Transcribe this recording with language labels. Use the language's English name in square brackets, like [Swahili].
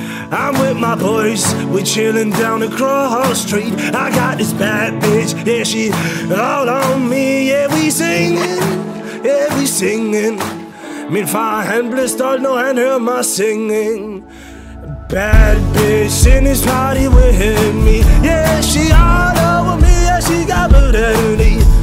[English] I'm with my boys, we chillin' down across street. I got this bad bitch, yeah, she all on me. Yeah, we singin', yeah, we singin'. [Danish] Min far, han blev stolt, når han hører mig singing. [English] Bad bitch in his party with me. Yeah, she all over me, yeah, she got booty.